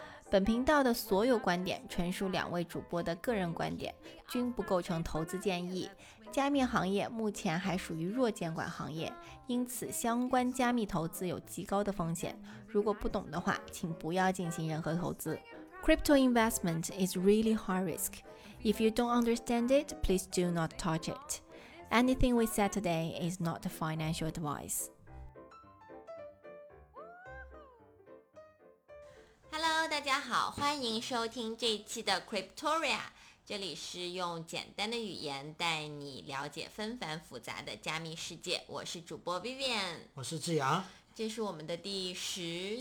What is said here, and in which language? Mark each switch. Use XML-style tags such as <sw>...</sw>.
<zh>本频道的所有观点纯属两位主播的个人观点，均不构成投资建议。加密行业目前还属于弱监管行业，因此相关加密投资有极高的风险，如果不懂的话，请不要进行任何投资。</zh> <en>Crypto investment is really high risk. If you don't understand it, please do not touch it. Anything we said today is not financial advice. Hello，</en> <zh>大家好，欢迎收听这一期的 Cryptoria， 这里是用简单的语言带你了解纷繁复杂的加密世界。我是主播 Vivian，我是志阳，这是我们的第十</zh>